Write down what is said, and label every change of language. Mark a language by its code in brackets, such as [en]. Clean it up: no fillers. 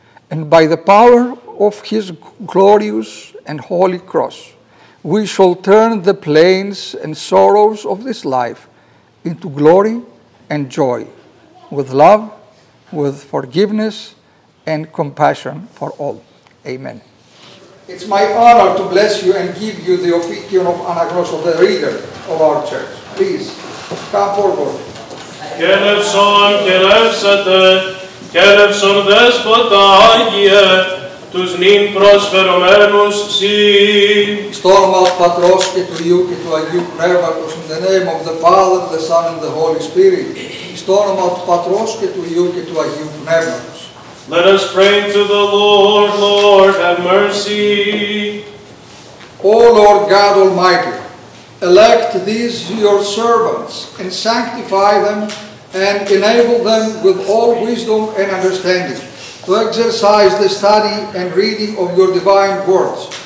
[en] and by the power of his glorious and holy cross, we shall turn the pains and sorrows of this life into glory and joy, with love, with forgiveness, and compassion for all. Amen. It's my honor to bless you and give you the Offikion of Anagnos, the reader of our church. Please, come forward. [el] Κέλευσον, κελεύσετε, κέλευσον δέσποτα Άγιε, τους νυν προσφερομένους συ. Στόρμα Πατρός και του Υιού και του Αγίου Πνεύματος, [en] in the name of the Father, the Son, and the Holy Spirit. [el] Στόρμα Πατρός και του Υιού και του Αγίου Πνεύματος. [en] Let us pray to the Lord, Lord, have mercy. O Lord God Almighty, elect these your servants and sanctify them and enable them with all wisdom and understanding to exercise the study and reading of your divine words,